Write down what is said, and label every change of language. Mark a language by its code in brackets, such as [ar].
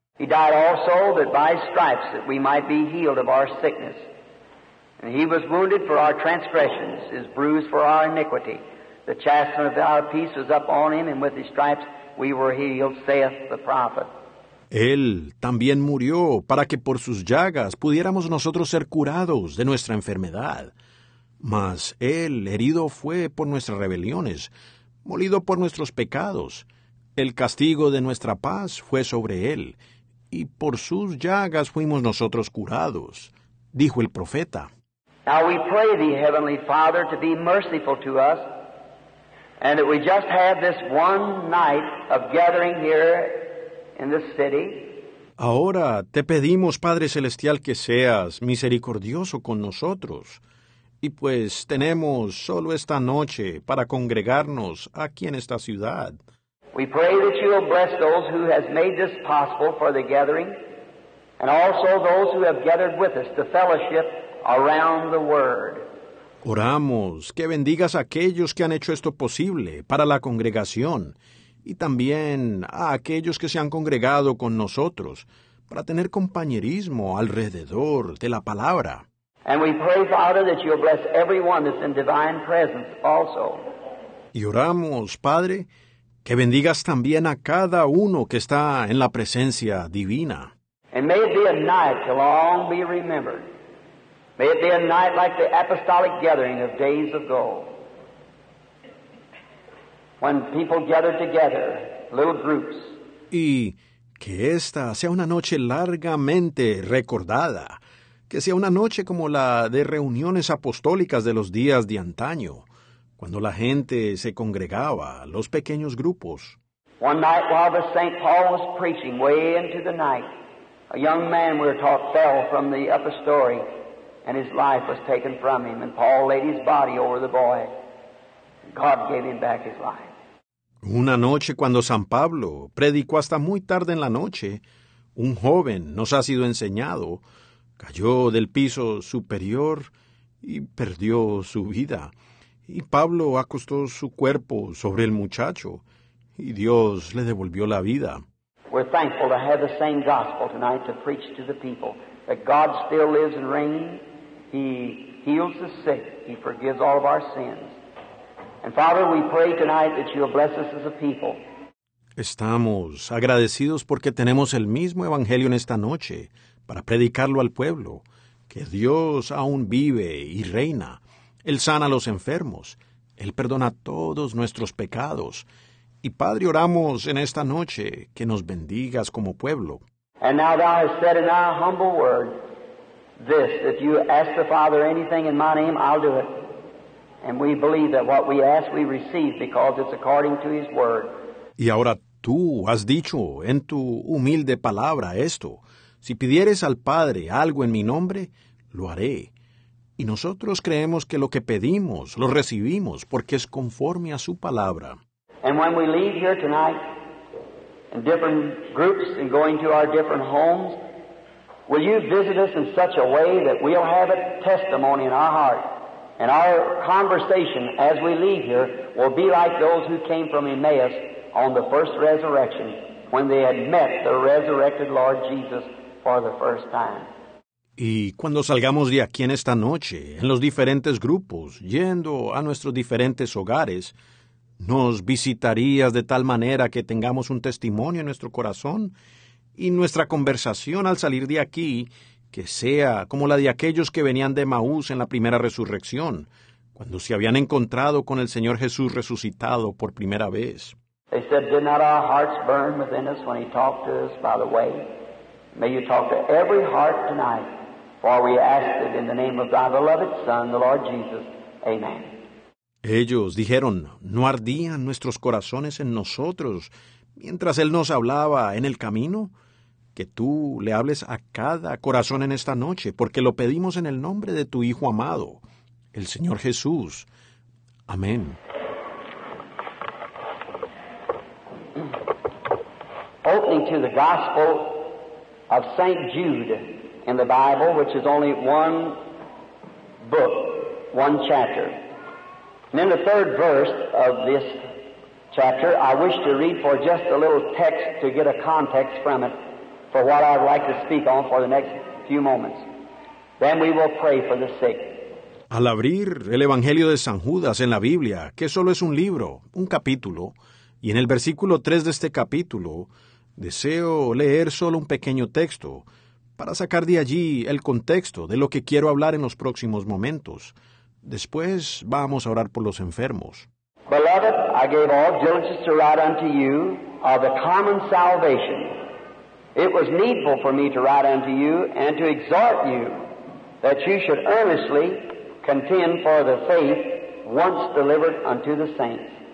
[en] He died also that by stripes that we might be healed of our sickness. And He was wounded for our transgressions, His bruised for our iniquity. The chastisement of our peace was up on Him, and with His stripes we were healed, saith the prophet. [es] Él también murió para que por sus llagas pudiéramos nosotros ser curados de nuestra enfermedad. Mas Él herido fue por nuestras rebeliones, molido por nuestros pecados. El castigo de nuestra paz fue sobre Él. Y por sus llagas fuimos nosotros curados, dijo el profeta. [en] Now we pray Thee, Heavenly Father, to be merciful to us, and that we just have this one night of gathering here in this city. [es] Ahora te pedimos, Padre Celestial, que seas misericordioso con nosotros. Y pues tenemos solo esta noche para congregarnos aquí en esta ciudad. [en] We pray that You will bless those who has made this possible for the gathering, and also those who have gathered with us to fellowship around the Word. [es] Oramos que bendigas a aquellos que han hecho esto posible para la congregación, y también a aquellos que se han congregado con nosotros para tener compañerismo alrededor de la palabra. [en] And we pray, Father, that you'll bless everyone that's in divine presence also. [es] Y oramos, Padre, que bendigas también a cada uno que está en la presencia divina. [en] And may it be a night to long be remembered. May it be a night like the apostolic gathering of days ago. When people gathered together, little groups. [es] Y que esta sea una noche largamente recordada. Que sea una noche como la de reuniones apostólicas de los días de antaño, cuando la gente se congregaba, los pequeños grupos. [en] One night while the Saint Paul was preaching way into the night, a young man, we were taught, fell from the upper story, and his life was taken from him, and Paul laid his body over the boy. God gave him back his life. [es] Una noche cuando San Pablo predicó hasta muy tarde en la noche, un joven nos ha sido enseñado, cayó del piso superior y perdió su vida. Y Pablo acostó su cuerpo sobre el muchacho y Dios le devolvió la vida. [en] We're thankful to have the same gospel tonight to preach to the people. That God still lives and reigns. He heals the sick. He forgives all of our sins. And Father, we pray tonight that you'll bless us as a people. [es] Estamos agradecidos porque tenemos el mismo evangelio en esta noche. Para predicarlo al pueblo, que Dios aún vive y reina. Él sana a los enfermos. Él perdona todos nuestros pecados. Y Padre, oramos en esta noche que nos bendigas como pueblo. [en] And now thou hast said in thy humble word this, if you ask the Father anything in my name, I'll do it. And we believe that what we ask we receive because it's according to his word. [es] Y ahora tú has dicho en tu humilde palabra esto. Si pidieres al Padre algo en mi nombre, lo haré. Y nosotros creemos que lo que pedimos, lo recibimos, porque es conforme a su palabra. [en] And when we leave here tonight, in different groups and going to our different homes, will you visit us in such a way that we'll have a testimony in our heart, and our conversation as we leave here will be like those who came from Emmaus on the first resurrection, when they had met the resurrected Lord Jesus for the first time. [es] Y cuando salgamos de aquí en esta noche, en los diferentes grupos, yendo a nuestros diferentes hogares, nos visitarías de tal manera que tengamos un testimonio en nuestro corazón y nuestra conversación al salir de aquí, que sea como la de aquellos que venían de Emaús en la primera resurrección, cuando se habían encontrado con el Señor Jesús resucitado por primera vez. [en] They said, did not our hearts burn within us when he talked to us by the way? May you talk to every heart tonight, for we ask it in the name of thy beloved Son, the Lord Jesus. Amen. [es] Ellos dijeron, ¿no ardían nuestros corazones en nosotros mientras Él nos hablaba en el camino? Que tú le hables a cada corazón en esta noche, porque lo pedimos en el nombre de tu Hijo amado, el Señor Jesús. Amén. [en] Opening to the gospel of St. Jude in the Bible, which is only one book, one chapter. And in the third verse of this chapter, I wish to read for just a little text to get a context from it for what I'd like to speak on for the next few moments. Then we will pray for the sick. [es] Al abrir el Evangelio de San Judas en la Biblia, que solo es un libro, un capítulo, y en el versículo 3 de este capítulo, deseo leer solo un pequeño texto para sacar de allí el contexto de lo que quiero hablar en los próximos momentos. Después vamos a orar por los enfermos. [en] Beloved, I gave all diligence to write unto you of the common salvation. It was needful for me to write unto you and to exhort you that you should earnestly contend for the faith once delivered unto the saints.